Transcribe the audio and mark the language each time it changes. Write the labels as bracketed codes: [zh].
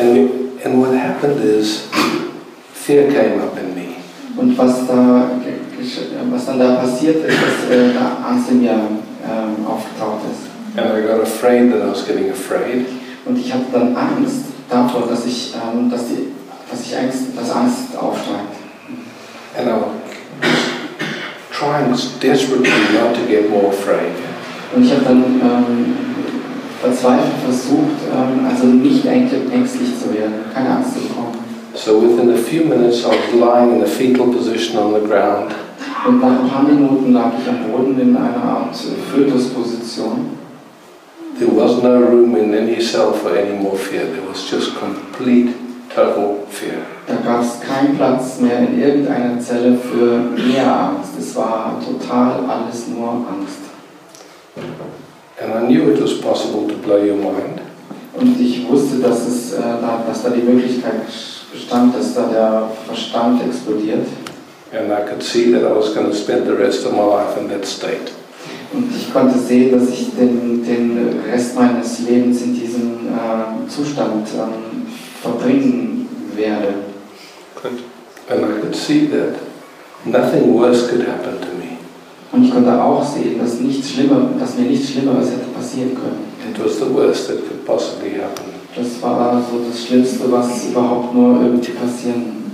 [en] And what happened is, fear came up in me. [de] Und was dann da passiert ist, dass da Angst in mir aufgetaucht ist. [en] And I got afraid that I was getting afraid. [de] Und ich hatte dann Angst davor, dass Angst aufsteigt. [en] And I was trying desperately not to get more afraid. [de] Und ich habe dann verzweifelt versucht, also nicht ängstlich zu werden, keine Angst zu bekommen. [en] So within a few minutes I was lying in a fetal position on the ground. [de] Und nach ein paar Minuten lag ich am Boden in einer Art Fötusposition. [en] There was no room in any cell for any more fear. There was just complete, total fear. [de] Da gab es keinen Platz mehr in irgendeiner Zelle für mehr Angst. Es war total alles nur Angst. [en] And I knew it was possible to blow your mind. [de] Und ich wusste, dass da die Möglichkeit bestand, dass da der Verstand explodiert. [en] And I could see that I was going to spend the rest of my life in that state. [de] Und ich konnte sehen, dass ich den Rest meines Lebens in diesem Zustand verbringen werde. [en] Good. And I could see that nothing worse could happen to me. [de] Und ich konnte auch sehen, dass mir nichts Schlimmeres hätte passieren können. [en] It was the worst that could possibly happen. [de] Das war so das Schlimmste, was überhaupt nur irgendwie passieren